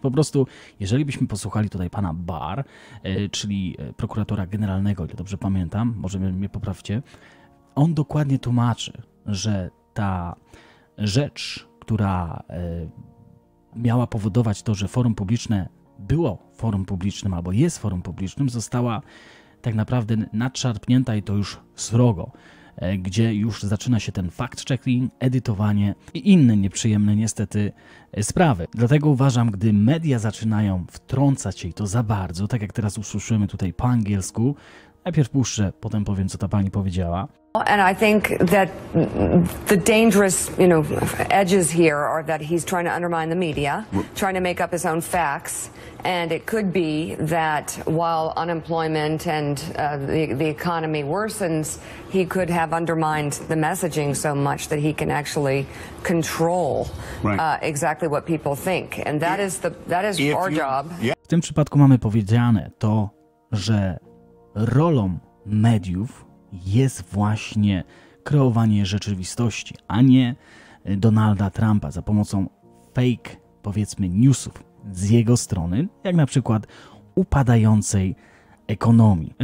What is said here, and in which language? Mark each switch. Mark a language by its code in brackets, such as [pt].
[pl] Po prostu, jeżeli byśmy posłuchali tutaj pana Barr, czyli prokuratora generalnego, ile dobrze pamiętam, może mnie poprawcie, on dokładnie tłumaczy, że ta rzecz, która miała powodować to, że forum publiczne było forum publicznym albo jest forum publicznym, została tak naprawdę nadszarpnięta i to już srogo, gdzie już zaczyna się ten fact-checking, edytowanie i inne nieprzyjemne niestety sprawy. Dlatego uważam, gdy media zaczynają wtrącać się i to za bardzo, tak jak teraz usłyszymy tutaj po angielsku, najpierw puszczę, potem powiem, co ta pani powiedziała. [en] And I think that the dangerous, you know, edges here are that he's trying to undermine the media, trying to make up his own facts, and it could be that while unemployment and the economy worsens, he could have undermined the messaging so much that he can actually control exactly what people think, and that is our job. [pl] W tym przypadku mamy powiedziane to, że rolą mediów jest właśnie kreowanie rzeczywistości, a nie Donalda Trumpa za pomocą fake, powiedzmy, newsów z jego strony, jak na przykład upadającej ekonomii.